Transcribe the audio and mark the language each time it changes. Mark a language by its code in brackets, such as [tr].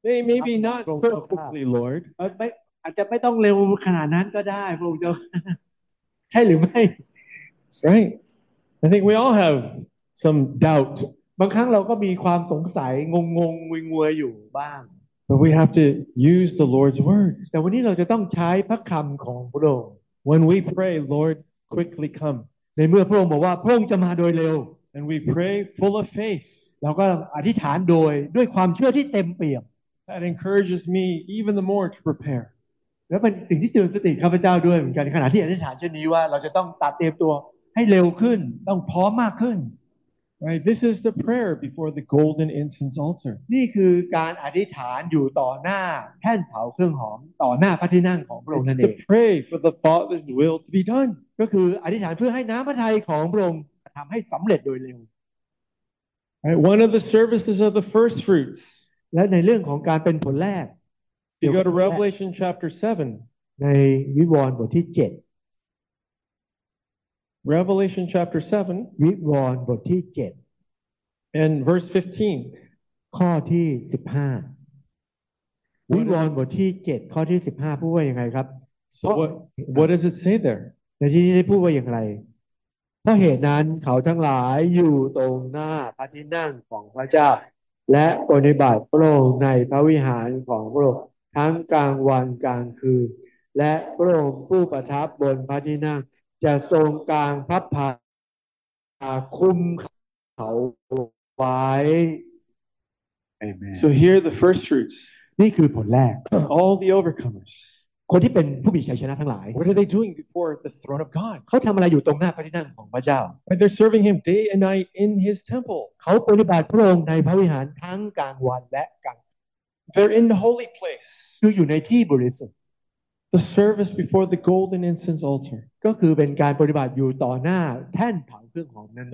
[en] maybe not so quickly Lord [th] อาจจะไม่ต้องเร็วขนาดนั้นก็ได้พระองค์เจ้าใช่หรือไม่ [en] right I think we all have some doubt [th] บางครั้งเราก็มีความสงสัยงงงวิงเวียอยู่บ้าง [en] but we have to use the Lord's word [th] แต่วันนี้เราจะต้องใช้พระคำของพระองค์ [en] when we pray Lord quickly come [th] ในเมื่อพระองค์บอกว่าพระองค์จะมาโดยเร็ว [en] and we pray full of faith [th] เราก็อธิษฐานด้วยความเชื่อที่เต็มเปี่ยม [en] That encourages me even the more to prepare [th] แล้วเป็นสิ่งที่เตือนสติข้าพเจ้าด้วยเหมือนกันขณะที่อธิษฐานเช่นนี้ว่าเราจะต้องตัดเตรียมตัวให้เร็วขึ้นต้องพร้อมมากขึ้น [en] Right this is the prayer before the golden incense altar [th] นี่คือการอธิษฐานอยู่ต่อหน้าแท่นเผาเครื่องหอมต่อหน้าพระที่นั่งของพระองค์นั่นเอง [en] It's the pray for the Father's will to be done [th] ก็คืออธิษฐานเพื่อให้น้ำพระทัยของพระองค์ทำให้สำเร็จโดยเร็ว [en] Right, one of the services of the first fruits. [th] และในเรื่องของการเป็นผลแรก [en] You go to Revelation chapter 7. [th] ในวิวรณ์บทที่7. [en] Revelation chapter 7. [th] วิวรณ์บทที่7. [en] And verse 15. [th] ข้อที่15. วิวรณ์บทที่7ข้อที่15พูดว่ายังไงครับ [en] So what does it say there? [th] ในที่นี้ได้พูดว่าอย่างไรเพราะเหตุนั้นเขาทั้งหลายอยู่ตรงหน้าพระที่นั่งของพระเจ้าและปฏิบัติพระองค์ในพระวิหารของพระองค์ทั้งกลางวันกลางคืนและพระองค์ผู้ประทับบนพระที่นั่งจะทรงกลางพระพักตร์คุ้มเขาไว้ [en] Amen. So here are the first fruits [th] นี่คือผลแรก [en] All the overcomers [th] คนที่เป็นผู้มีชัยชนะทั้งหลาย [en] What are they doing before the throne of God [th] เขาทำอะไรอยู่ตรงหน้าพระที่นั่งของพระเจ้า [en] They're serving him day and night in his temple [th] เขาปฏิบัติพระองค์ในพระวิหารทั้งกลางวันและกลางคืน [en] They're in the holy place [th] คืออยู่ในที่บริสุทธิ์ [en] The service before the golden incense altar [th] ก็คือเป็นการปฏิบัติอยู่ต่อหน้าแท่นเผาเครื่องหอมนั้น